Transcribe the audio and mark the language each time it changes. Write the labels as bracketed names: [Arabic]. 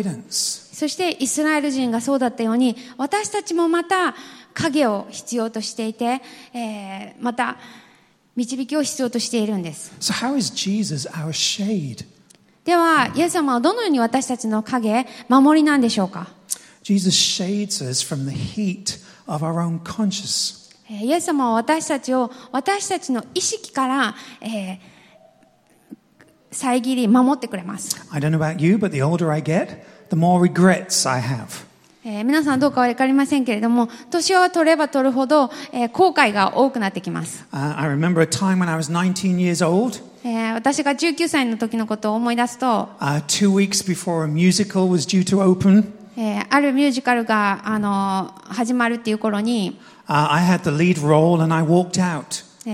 [Japanese] そしてイスラエル人がそうだったように私たちもまた影を必要としていて、また導きを必要としているんです。 [English] So how is Jesus our shade? [Japanese] ではイエス様はどのように私たちの影守りなんでしょうか。 [English] Jesus shades us from the heat of our own conscience. [Japanese] イエス様は私たちを私たちの意識から、遮り守ってくれます。 [English] I don't know about you, but the older I get, the more regrets I have. [Japanese] 皆さんどうかは分かりませんけれども年を取れば取るほど、後悔が多くなってきます。 [English] I remember a time when I was 19 years old. [Japanese] 私が19歳の時のことを思い出すと、 [English] 2 weeks before a musical was due to open. [Japanese] あるミュージカルが始まるっていう頃に、 [English] I had the lead role and I walked out.